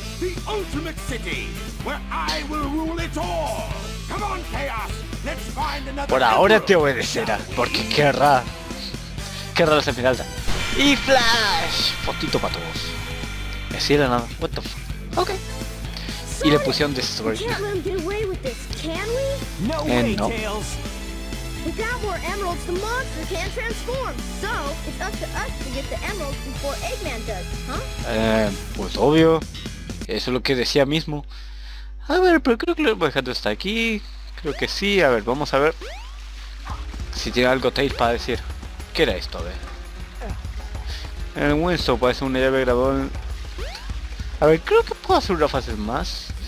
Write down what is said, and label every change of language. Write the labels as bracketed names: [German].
[English] The ultimate city where I will rule it all. Come on, Chaos. Let's find another. [Spanish] Por ahora te obedecerá, porque querrá la semifinalta. Y Flash, fotito para todos. Es cierto, nada. [English] What the fuck? Okay. Sorry. [Spanish] Y le pusieron destroy. [English] We can't let him get away with this, can we? No. Without more emeralds, the monster can't transform. So it's up to us to get the emeralds before Eggman does, huh? [Spanish] Pues obvio. Eso es lo que decía mismo. A ver, pero creo que lo voy a dejar hasta aquí. Creo que sí, a ver, vamos a ver si tiene algo Tails para decir. ¿Qué era esto? A ver. El Winston puede ser una llave grabada en... A ver, creo que puedo hacer una fase más.